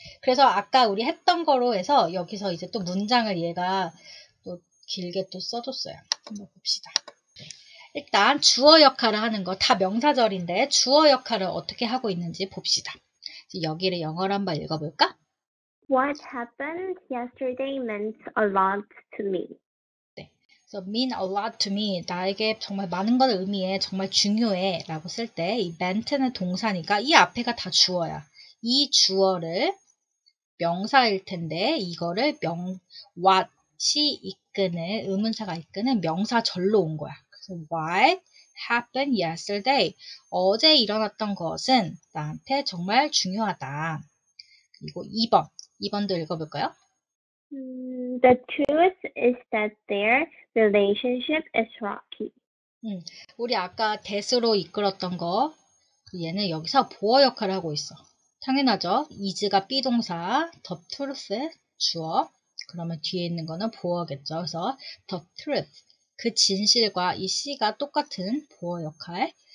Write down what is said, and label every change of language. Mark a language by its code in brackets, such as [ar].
[ko] 그래서 아까 우리 했던 거로 해서 여기서 이제 또 문장을 얘가 또 길게 또 써줬어요. 한번 봅시다. 일단 주어 역할을 하는 거다 명사절인데 주어 역할을 어떻게 하고 있는지 봅시다. 여기를 영어로 한번 읽어볼까? [en] What happened yesterday meant a lot to me. mean a lot to me. [ko] 나에게 정말 많은 걸 의미해. 정말 중요해. 라고 쓸 때, 이 meant는 동사니까, 이 앞에가 다 주어야. 이 주어를 명사일 텐데, 이거를 what이 이끄는, 의문사가 이끄는 명사절로 온 거야. [en] 그래서 what happened yesterday? [ko] 어제 일어났던 것은 나한테 정말 중요하다. 그리고 2번. 2번도 읽어볼까요? [en] The truth is that their relationship is rocky. [ko] 우리 아까 that으로 이끌었던 거, 얘는 여기서 보어 역할을 하고 있어. 당연하죠? is가 be동사, the truth, 주어. 그러면 뒤에 있는 거는 보어겠죠? 그래서 the truth, 그 진실과 이 she가 똑같은 보어 역할.